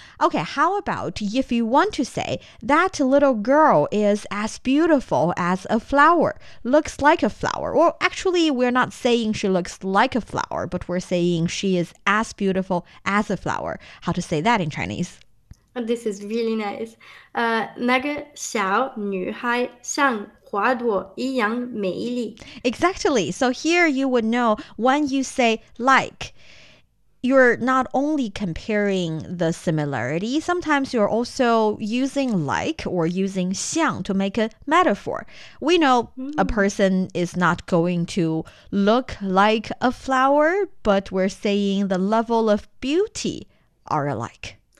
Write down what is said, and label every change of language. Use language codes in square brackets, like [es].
[en] Okay, how about if you want to say that little girl is as beautiful as a flower, looks like a flower. Well, actually, we're not saying she looks like a flower, but we're saying she is as beautiful as a flower. How to say that in Chinese? This is really nice. [zh] 那个小女孩像花朵一样美丽。 [en] Exactly. So here you would know when you say like, you're not only comparing the similarity, sometimes you're also using like or using 像 to make a metaphor. We know a person is not going to look like a flower, but we're saying the level of beauty are alike.